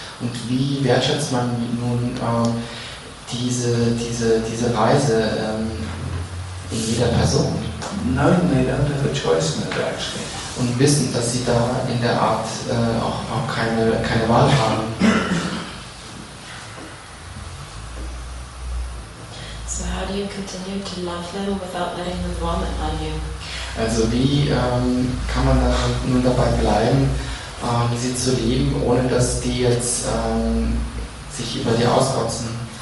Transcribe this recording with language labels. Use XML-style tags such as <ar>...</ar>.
<de>Und wie wertschätzt man nun diese Reise in jeder Person?</de> <en>knowing they don't have a choice in it actually.</en> <de>Und wissen, dass sie da in der Art auch keine Wahl haben.</de> <en>So how do you continue to love them without letting them vomit on you?</en> <de>Also wie kann man da nun dabei bleiben, sie zu lieben, ohne dass die jetzt sich über dir auskotzen?</de>